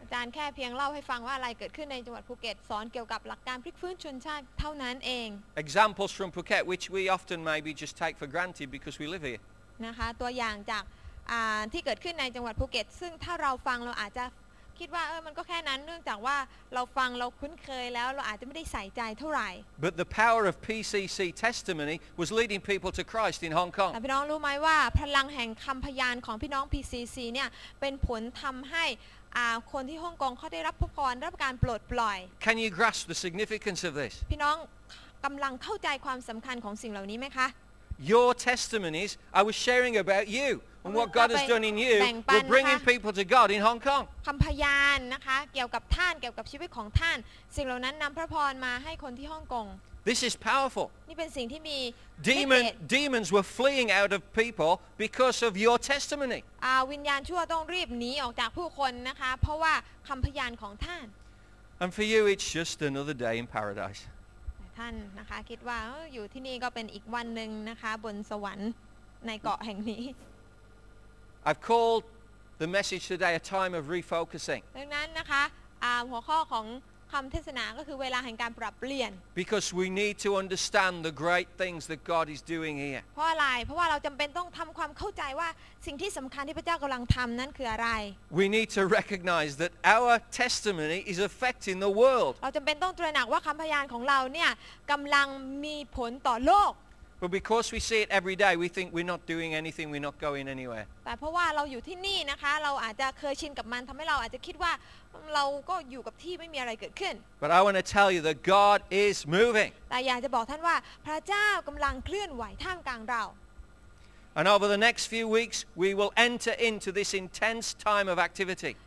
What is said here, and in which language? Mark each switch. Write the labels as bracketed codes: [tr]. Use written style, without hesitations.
[th] อาจารย์แค่เพียงเล่าให้ฟังว่าอะไรเกิดขึ้นในจังหวัดภูเก็ตสอนเกี่ยวกับหลักการพลิกฟื้นชนชาติเท่านั้นเอง [en] Examples from Phuket which we often maybe just take for granted because we live here. [th] นะคะตัวอย่างจากที่เกิดขึ้นในจังหวัดภูเก็ตซึ่งถ้าเราฟังเราอาจจะคิดว่ามันก็แค่นั้นเนื่องจากว่าเราฟังเราคุ้นเคยแล้วเราอาจจะไม่ได้ใส่ใจเท่าไหร่ [en] But the power of PCC testimony was leading people to Christ in Hong Kong [th] แต่พี่น้องรู้ไหมว่าพลังแห่งคำพยานของพี่น้อง PCC เนี่ยเป็นผลทำให้คนที่ฮ่องกงเขาได้รับพระพรรับการปลดปล่อย [en] Can you grasp the significance of this [th] พี่น้องกำลังเข้าใจความสำคัญของสิ่งเหล่านี้ไหมคะ [en] Your testimonies I was sharing about youAnd what God has done in you, we're bringing people to God in Hong Kong. [th] คำพยานนะคะเกี่ยวกับท่านเกี่ยวกับชีวิตของท่านสิ่งเหล่านั้นนำพระพรมาให้คนที่ฮ่องกง [en] This is powerful. [th] นี่เป็นสิ่งที่มี [en] Demons were fleeing out of people because of your testimony. [th] วิญญาณชั่วต้องรีบหนีออกจากผู้คนนะคะเพราะว่าคำพยานของท่าน [en] And for you, it's just another day in paradise. [th] ท่านนะคะคิดว่าอยู่ที่นี่ก็เป็นอีกวันนึงนะคะบนสวรรค์ในเกาะแห่งนี้ [en] I've called the message today a time of refocusing. [th] ดังนั้นนะคะหัวข้อของคำเทศนาก็คือเวลาแห่งการปรับเปลี่ยน [en] Because we need to understand the great things that God is doing here. [th] เพราะอะไรเพราะว่าเราจำเป็นต้องทำความเข้าใจว่าสิ่งที่สำคัญที่พระเจ้ากำลังทำนั้นคืออะไร [en] We need to recognize that our testimony is affecting the world. [th] เราจำเป็นต้องตระหนักว่าคำพยานของเราเนี่ยกำลังมีผลต่อโลก [en] But because we see it every day, we think we're not doing anything, we're not going anywhere. [th] แต่เพราะว่าเราอยู่ที่นี่นะคะเราอาจจะเคยชินกับมันทำให้เราอาจจะคิดว่าเราก็อยู่กับที่ไม่มีอะไรเกิดขึ้น [en] But I want to tell you that God is moving. [th] แต่อยากจะบอกท่านว่าพระเจ้ากำลังเคลื่อนไหวท่ามกลางเรา [en] And over the next few weeks, we will enter into this intense time of activity.